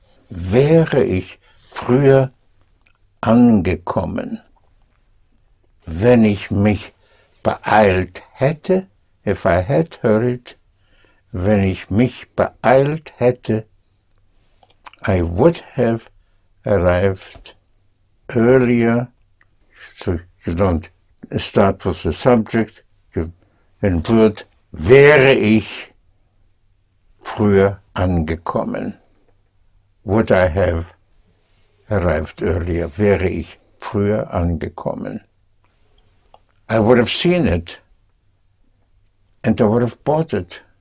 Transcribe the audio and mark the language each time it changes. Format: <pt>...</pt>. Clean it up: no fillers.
<de>Wäre ich früher angekommen, wenn ich mich beeilt hätte,</de> <en>if I had hurried,</en> <de>wenn ich mich beeilt hätte,</de> <en>I would have arrived earlier. So you don't start with the subject, you invert.</en> <de>Wäre ich früher angekommen?</de> <en>Would I have arrived earlier?</en> <de>Wäre ich früher angekommen?</de> <en>I would have seen it and I would have bought it.</en>